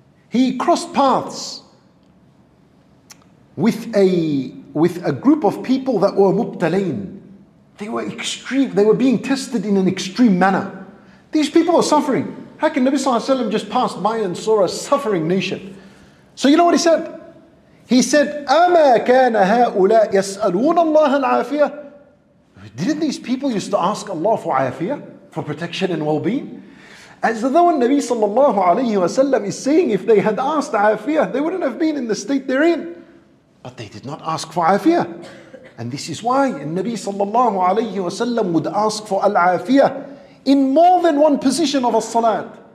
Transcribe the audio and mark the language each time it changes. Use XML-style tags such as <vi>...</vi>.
<en>He crossed paths with a group of people that were mubtalain. They were extreme, they were being tested in an extreme manner. These people were suffering. How can Nabi sallallahu alayhi wa sallam just pass by and saw a suffering nation? So you know what he said? He said,</en> <ar>أَمَا كَانَ هَٰؤُلَاءَ يَسْأَلُونَ اللَّهَ الْعَافِيَةَ.</ar> <en>Didn't these people used to ask Allah for afiyah, for protection and well-being? As though Nabi sallallahu alayhi wa sallam is saying, if they had asked afiyah, they wouldn't have been in the state they're in. But they did not ask for afiyah. And this is why Nabi sallallahu alayhi wa sallam would ask for al-afiyah in more than one position of a salat.</en>